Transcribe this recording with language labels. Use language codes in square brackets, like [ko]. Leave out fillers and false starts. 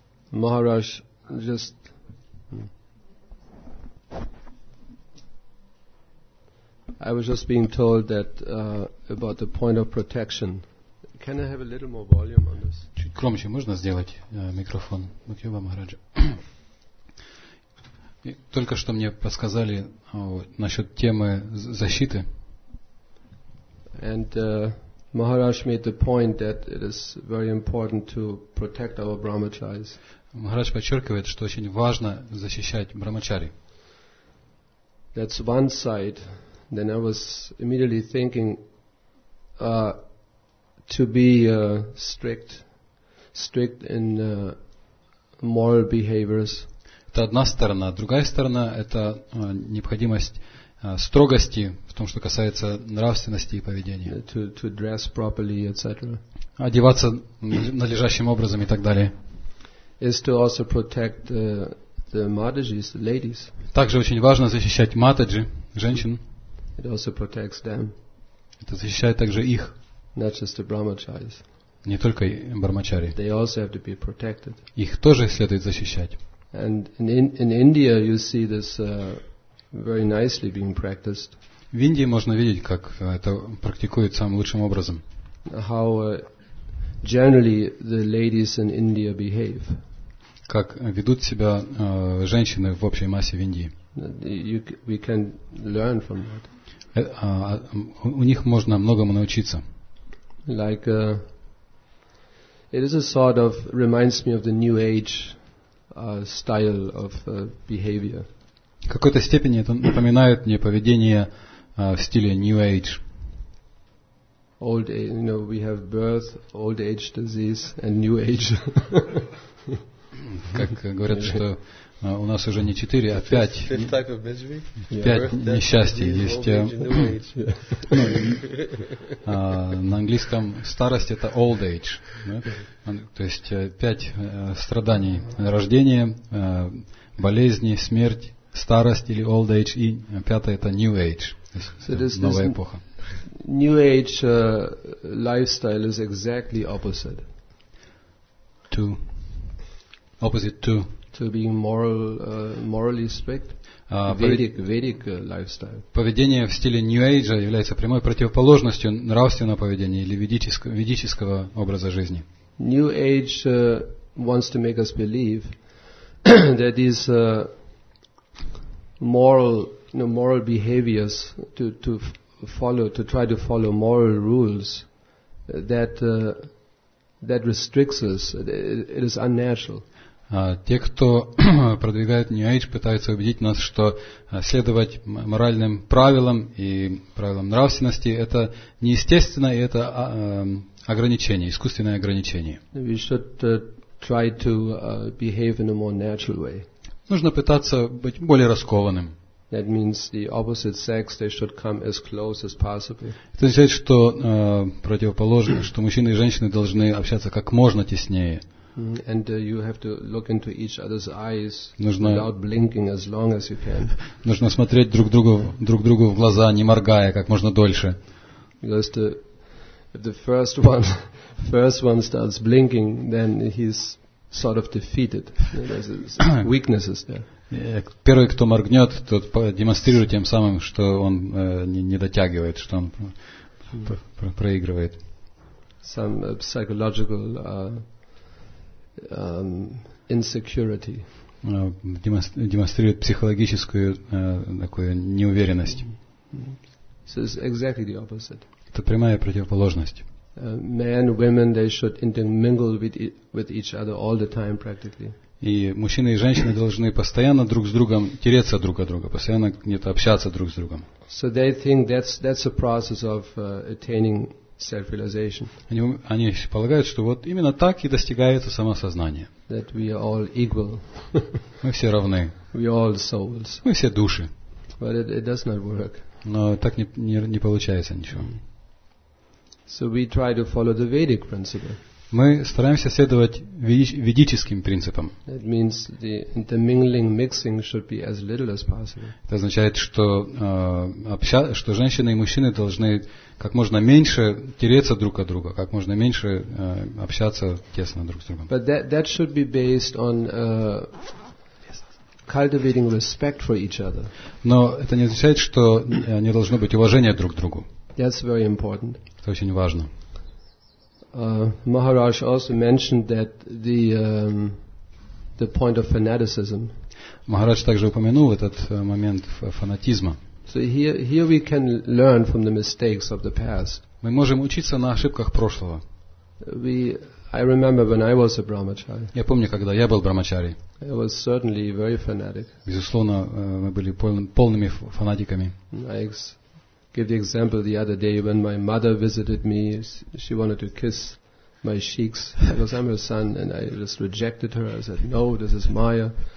[en] Maharaj, just I was just being told that about the point of protection. Can I have a little more volume on this? [ru] Чуть громче можно сделать микрофон? Спасибо, Махараджа. Только что мне подсказали насчет темы защиты. [en] And Maharaj made the point that it is very important to protect our brahmacharis. [ru] Maharaj подчеркивает, что очень важно защищать брахмачари. [en] That's one side. Then I was immediately thinking to be strict in moral behaviors. [ru] Это одна сторона. Другая сторона – это необходимость строгости в том, что касается нравственности и поведения. [en] To dress properly, etc. [ru] Одеваться надлежащим образом и так далее. [en] Is to also protect the madhijis, the ladies. [ru] Также очень важно защищать матаджи, женщин. [en] It also protects them. [ru] Это защищает также их. [en] Not just the brahmacharis. [ru] Не только брахмачари. [en] They also have to be protected. [ru] Их тоже следует защищать. [en] And in India you see this very nicely being practiced. [ru] В Индии можно видеть, как это практикуют самым лучшим образом. [en] How generally the ladies in India behave. [ru] Как ведут себя женщины в общей массе в Индии. [en] We can learn from that. [ru] У них можно многому научиться. [en] Like it is a sort of reminds me of the New Age. Style of behavior. [ru] В какой-то степени это напоминает мне поведение в стиле New Age. [en] Old age, you know, we have birth, old age disease, and New Age. [ru] как говорят, что у нас уже не четыре, а пять несчастий есть. На английском старость — это [en] old age. [ru] То есть пять страданий. Рождение, болезни, смерть, старость или [en] old age, [ru] и пятое — это [en] new age. [ru] Новая эпоха. [en] New age lifestyle is exactly opposite. To opposite to. To being moral, morally strict. Vedic lifestyle. [ru] Поведение в стиле New Age является прямой противоположностью нравственного поведения или ведического образа жизни. [en] New Age wants to make us believe that these moral behaviors to follow, to try to follow moral rules, that restricts us. It is unnatural. [ru] Те, кто продвигает New Age, пытаются убедить нас, что следовать моральным правилам и правилам нравственности — это неестественно, и это ограничение, искусственное ограничение. [en] We should try to behave in a more natural way. [ru] Нужно пытаться быть более раскованным. [en] That means the opposite sex, they should come as close as possible. [ru] Это означает, что противоположно, что мужчины и женщины должны общаться как можно теснее. [en] And you have to look into each other's eyes without blinking as long as you can. [ru] Нужно смотреть друг другу в глаза, не моргая, как можно дольше. [en] Because if the first one starts blinking, then he's sort of defeated. There's weaknesses there. [ru] Первый, кто моргнет, тот демонстрирует тем самым, что он не дотягивает, что он проигрывает. [en] Some psychological insecurity. [ru] Демонстрирует психологическую такую неуверенность. [en] So it's exactly the opposite. [ru] Это прямая противоположность. [en] Men, women, they should intermingle with each other all the time, practically. [ru] И мужчины и женщины должны постоянно друг с другом тереться друг от друга, постоянно где-то общаться друг с другом. [en] So they think that's a process of attaining self-realization. [ru] Они полагают, что вот именно так и достигается самосознание. [en] That we are all equal. [ru] Мы все равны. [en] We are all souls. [ru] Мы все души. [en] But it does not work. [ru] Но так не получается ничего. [en] So we try to follow the Vedic principle. [ru] Мы стараемся следовать ведическим принципам. [en] That means the intermingling, mixing should be as little as possible. [ru] Это означает, что что женщины и мужчины должны как можно меньше тереться друг от друга, как можно меньше общаться тесно друг с другом. [en] But that should be based on cultivating respect for each other. [ru] Но это не означает, что не должно быть уважения друг к другу. [en] That's very important. [ru] Это очень важно. [en] Maharaj also mentioned that the point of fanaticism. [ru] Maharaj также упомянул этот момент фанатизма. [en] So here we can learn from the mistakes of the past. [ru] Мы можем учиться на ошибках прошлого. [en] I remember when I was a brahmachari. [ru] Я помню, когда я был брахмачари. [en] I was certainly very fanatic. [ru] Безусловно, мы были полными фанатиками. [en] Give the example the other day when my mother visited me. She wanted to kiss my sheikhs because I'm her son, and I just rejected her. I said, "No, this is Maya.